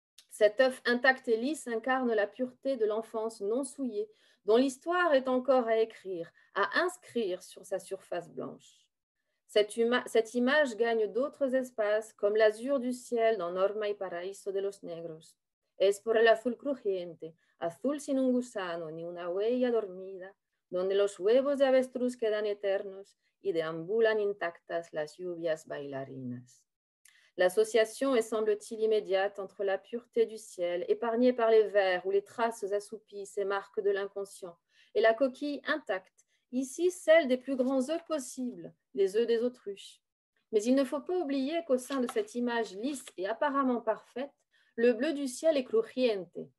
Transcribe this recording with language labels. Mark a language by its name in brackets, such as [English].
[French] Cet œuf intact et lisse incarne la pureté de l'enfance non souillée, dont l'histoire est encore à écrire, à inscrire sur sa surface blanche. Cette image gagne d'autres espaces, comme l'azur du ciel dans Norma y Paraíso de los Negros. [Spanish] Es por el azul crujiente, azul sin un gusano ni una huella dormida, donde los huevos de avestruz quedan eternos y deambulan intactas las lluvias bailarinas. [French] L'association est, semble-t-il, immédiate entre la pureté du ciel, épargnée par les vers où les traces assoupies ces marques de l'inconscient, et la coquille intacte, ici, celle des plus grands œufs possibles, les œufs des autruches. Mais il ne faut pas oublier qu'au sein de cette image lisse et apparemment parfaite, le bleu du ciel est crujiente.